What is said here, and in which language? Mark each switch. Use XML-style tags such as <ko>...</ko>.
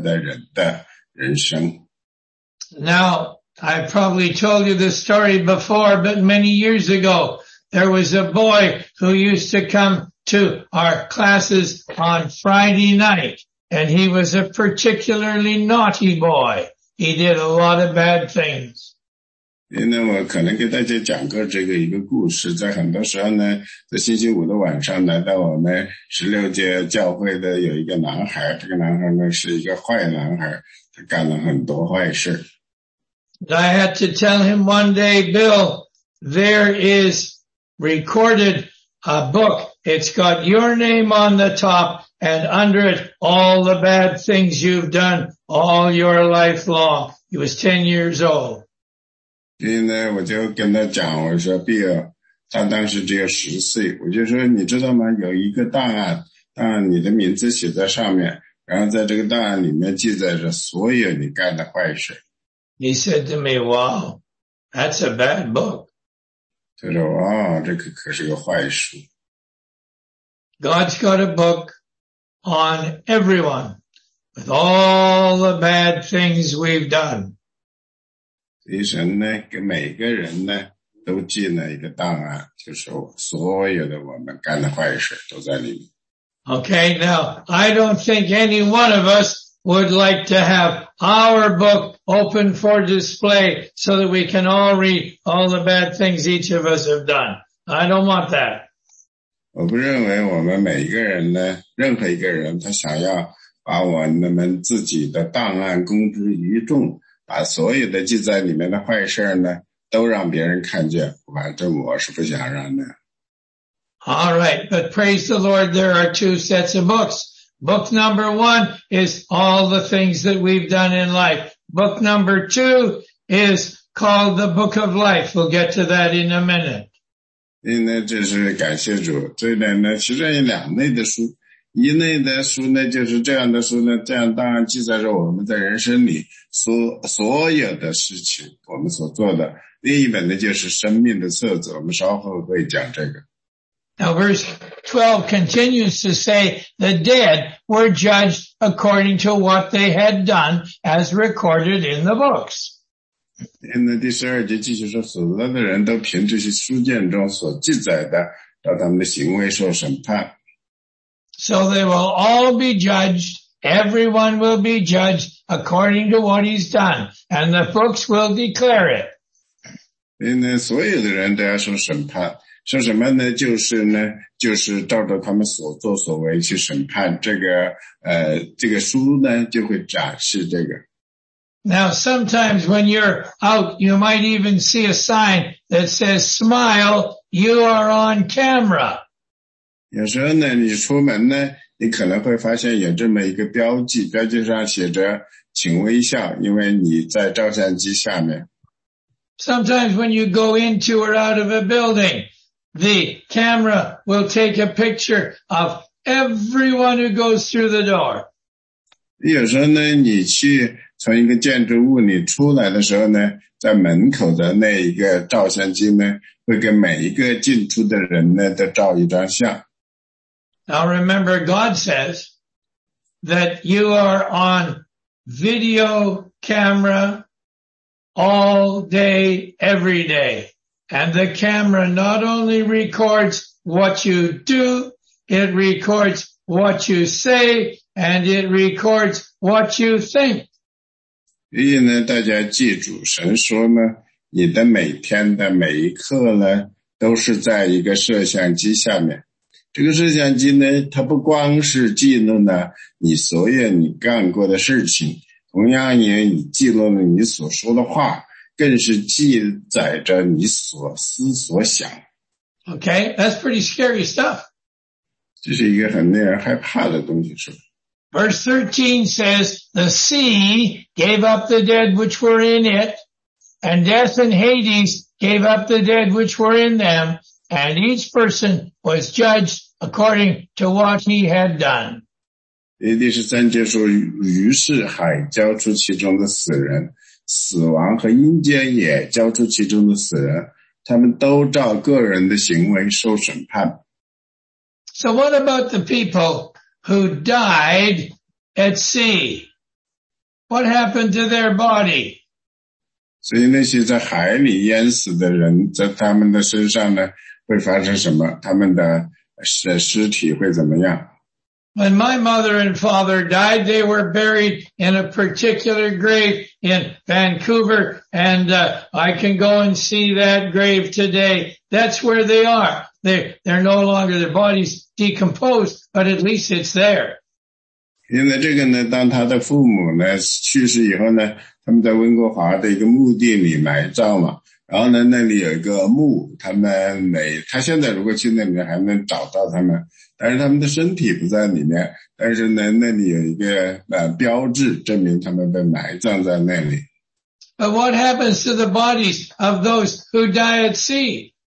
<zh>这里面呢，就是有那么一本书，或者说是有很多本书，这样呢，这书上记载着所有的在20世纪和21世纪，他们生活在加拿大，生活在墨西哥，生活在美国，生活在中国的人的人生。Now,</zh> <en>I probably told you this story before, but many years ago, there was a boy who used to come to our classes on Friday night, and he was a particularly naughty boy. He did a lot of bad things.</en> <zh>那我可能给大家讲过这个一个故事，在很多时候呢，在星期五的晚上来到我们16届教会的有一个男孩，这个男孩呢是一个坏男孩，他干了很多坏事。</zh> <en>I had to tell him one day, Bill, there is recorded a book. It's got your name on the top and under it all the bad things you've done all your life long. He was 10 years old.</en> <zh>所以呢，我就跟他讲，我说 ，Bill，但当时只有十岁，我就说你知道吗？有一个档案，档案你的名字写在上面，然后在这个档案里面记载着所有你干的坏事。</zh> <en>He said to me, "Wow, that's a bad book."</en> <zh>他说：“哇，这可是个坏书。”</zh> <en>God's got a book on everyone with all the bad things we've done.</en> <zh>所以神呢，给每个人呢。都记了一个档案，就是所有的我们干的坏事都在里面。</zh> <en>Okay, now, I don't think any one of us would like to have our book open for display so that we can all read all the bad things each of us have done. I don't want that.</en> <zh>我不认为我们每一个人呢，任何一个人他想要把我们自己的档案公之于众，把所有的记在里面的坏事呢都让别人看见，反正我是不想让的。</zh> <en>All right, but praise the Lord, there are two sets of books. Book number one is all the things that we've done in life. Book number two is called the Book of Life. We'll get to that in a minute.</en> <zh>所以呢，这是感谢主。这里呢，其实有两类的书，一类的书呢，就是这样的书呢，这样当然记载着我们在人生里所有的事情，我们所做的。另一本呢就是生命的册子，我们稍后会讲这个。</zh> <en>Now verse 12 continues to say the dead were judged according to what they had done as recorded in the books.</en> <zh>那第十二节继续说，死了的人都凭这些书卷中所记载的，照他们的行为受审判。</zh> <en>So they will all be judged, everyone will be judged according to what he's done, and the books will declare it.</en> <zh>因为所有的人都要受审判，受什么呢？就是呢，就是照着他们所作所为去审判，这个书呢就会展示这个。</zh> <en>Now, sometimes when you're out, you might even see a sign that says, smile, you are on camera.</en> <zh>有时候呢，你出门呢，你可能会发现有这么一个标记，标记上写着请微笑，因为你在照相机下面。</zh> <en>Sometimes when you go into or out of a building, the camera will take a picture of everyone who goes through the door.</en> <zh>有时候呢，你去从一个建筑物你出来的时候呢，在门口的那一个照相机呢，会给每一个进出的人呢都照一张相。</zh> <en>Now remember, God says that you are on video camera all day, every day. And the camera not only records what you do, it records what you say, and it records what you think.</en> <zh>所以呢，大家记住，神说呢，你的每天的每一刻呢，都是在一个摄像机下面。这个摄像机呢，它不光是记录了你所有你干过的事情，同样也记录了你所说的话，更是记载着你所思所想。</zh> <en>Okay, that's pretty scary stuff.</en> <zh>这是一个很令人害怕的东西，是吧？</zh> <en>Verse 13 says, the sea gave up the dead which were in it, and death and Hades gave up the dead which were in them. And each person was judged according to what he had done.</en> <zh>第十三节说，于是海交出其中的死人，死亡和阴间也交出其中的死人，他们都照个人的行为受审判。</zh> <en>So what about the people who died at sea? What happened to their body?</en> <zh>所以那些在海里淹死的人，在他们的身上呢？会发生什么？他们的尸体会怎么样？</zh> <en>When my mother and father died, they were buried in a particular grave in Vancouver, and I can go and see that grave today. That's where they are. They're no longer, their body's decomposed, but at least it's there.</en> <zh>因为这个呢，当他的父母呢去世以后呢，他们在温哥华的一个墓地里埋葬嘛。然后呢，那里有一个墓，他现在如果去那里面还能找到他们，但是他们的身体不在里面，但是呢，那里有一个标志，证明他们被埋葬在那里。</zh> <en>But what happens to the bodies of those who die at sea?</en>